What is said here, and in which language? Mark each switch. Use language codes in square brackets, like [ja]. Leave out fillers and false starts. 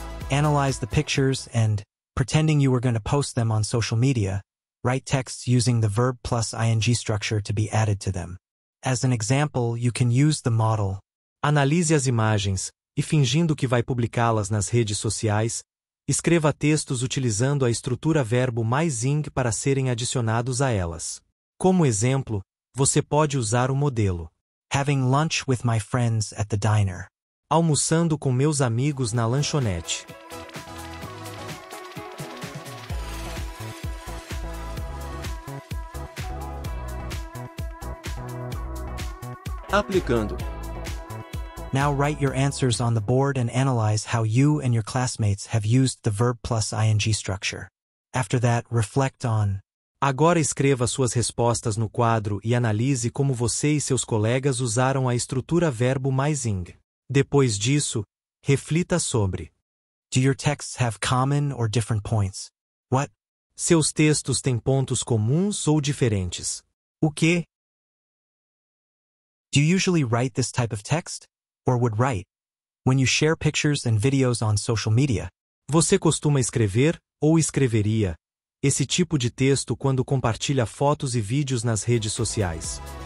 [en] Analyze the pictures and, pretending you were going to post them on social media, write texts using the verb plus ing structure to be added to them. As an example, you can use the model. [pt] Analise as imagens e, fingindo que vai publicá-las nas redes sociais, escreva textos utilizando a estrutura verbo mais ing para serem adicionados a elas. Como exemplo, você pode usar o modelo. [en] Having lunch with my friends at the diner. [pt] Almoçando com meus amigos na lanchonete. Aplicando. [en] Now write your answers on the board and analyze how you and your classmates have used the verb plus ing structure. After that, reflect on. [pt] Agora escreva suas respostas no quadro e analise como você e seus colegas usaram a estrutura verbo mais ing. Depois disso, reflita sobre. [en] Do your texts have common or different points? What? [pt] Seus textos têm pontos comuns ou diferentes? O quê? [en] Do you usually write this type of text? Or would write? When you share pictures and videos on social media? [pt] Você costuma escrever, ou escreveria, esse tipo de texto quando compartilha fotos e vídeos nas redes sociais?